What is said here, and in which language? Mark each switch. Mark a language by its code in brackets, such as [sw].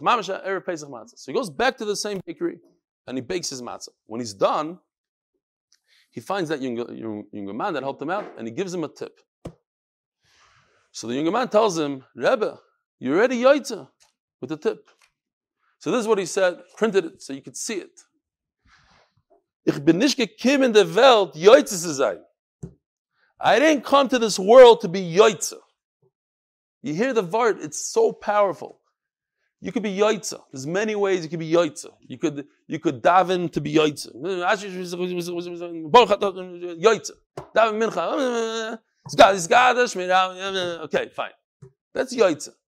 [en] Mamash Erev Pesach matzah. So he goes back to the same bakery, and he bakes his matzah. When he's done, he finds that young man that helped him out, and he gives him a tip. So the young man tells him, Rebbe, you're ready yaitza with the tip. So this is what he said, printed it so you could see it. [yi] Ich bin nicht gekommen in der Welt, Yoitze zu sein. [en] I didn't come to this world to be Yoitze. You hear the Vart, it's so powerful. You could be Yoitze. There's many ways you could be Yoitze. You could daven to be Yoitze. Yoitze. Daven mincha. Okay, fine. That's Yoitze.